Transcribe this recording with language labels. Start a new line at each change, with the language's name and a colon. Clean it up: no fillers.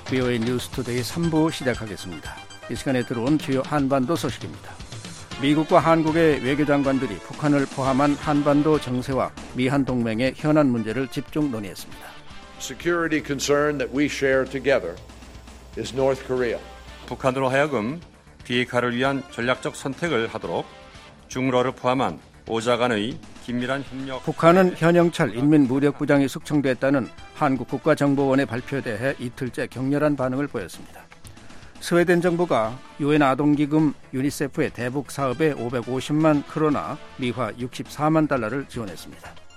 Korean: VOA 뉴스 투데이 3부 시작하겠습니다. 이 시간에 들어온 주요 한반도 소식입니다. 미국과 한국의 외교장관들이 북한을 포함한 한반도 정세와 미한 동맹의 현안 문제를 집중 논의했습니다.
English: Security concern that we share together is North Korea.
Korean: 북한으로 하여금 비핵화를 위한 전략적 선택을 하도록 중러를 포함한 오자간의 긴밀한 협력. 북한은 현영철 인민무력부장이 숙청됐다는 한국국가정보원의 발표에 대해 이틀째 격렬한 반응을 보였습니다. 스웨덴 정부가 유엔 아동기금 유니세프의 대북 사업에 550만 크로나 미화 64만 달러를 지원했습니다.